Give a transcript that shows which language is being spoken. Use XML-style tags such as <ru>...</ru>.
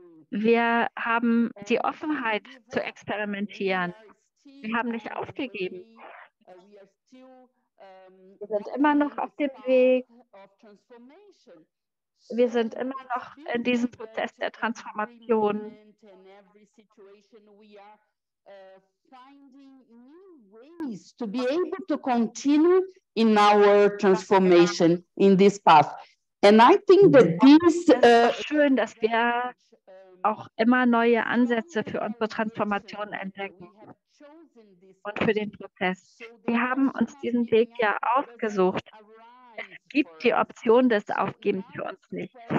<de>Wir haben die Offenheit zu experimentieren. Wir haben nicht aufgegeben. Wir sind immer noch auf dem Weg. Wir sind immer noch in diesem Prozess der Transformation.</de> <en>Finding new ways to be able to continue in our transformation in this path. And I think that this</en> <de>schön, dass wir auch immer neue Ansätze für unsere Transformation entdecken und für den Prozess. Wir haben uns diesen Weg ja ausgesucht. Es gibt die Option des Aufgebens für uns nicht.</de>